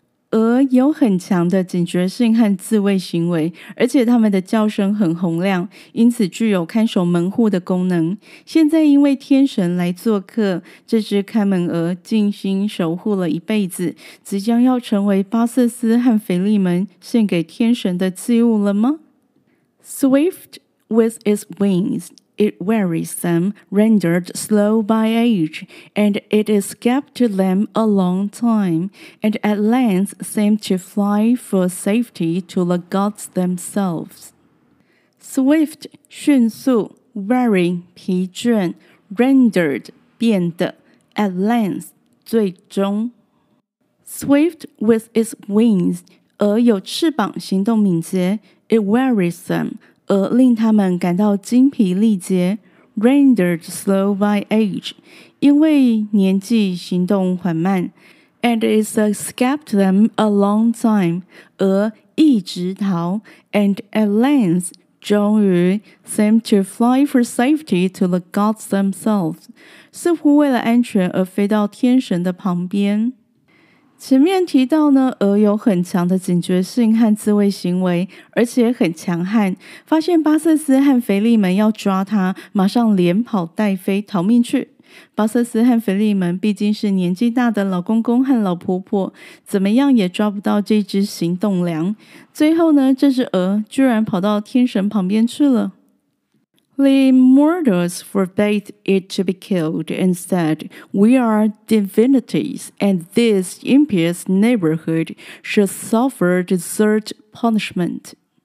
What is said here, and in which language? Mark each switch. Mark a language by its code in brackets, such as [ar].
[zh] 鹅有很强的警觉性和自卫行为，而且它们的叫声很洪亮，因此具有看守门户的功能。现在因为天神来做客，这只看门鹅尽心守护了一辈子，即将要成为巴瑟斯和腓利门献给天神的祭物了吗？ [en] Swift with its wings, it wearies them, rendered slow by age, and it escaped them a long time, and at length seemed to fly for safety to the gods themselves. [zh] Swift, 迅速, weary, 疲倦, rendered, 变得, at length, 最终. [en] Swift with its wings, [zh] 鹅有翅膀行动敏捷, [en] it wearies them, [zh] 鹅令他们感到精疲力竭 [en] rendered slow by age, [zh] 因为年纪行动缓慢 [en] and it's escaped them a long time, [zh] 鹅一直逃 [en] and at length, [zh] 终于 [en] seemed to fly for safety to the gods themselves, [zh] 似乎为了安全而飞到天神的旁边。前面提到呢，鹅有很强的警觉性和自卫行为，而且很强悍。发现巴瑟斯和腓利门要抓它，马上连跑带飞逃命去。巴瑟斯和腓利门毕竟是年纪大的老公公和老婆婆，怎么样也抓不到这只行动粮。最后呢，这只鹅居然跑到天神旁边去了。 [en] The mortals forbade it to be killed and said, We are divinities, and this impious neighborhood should suffer deserved punishment.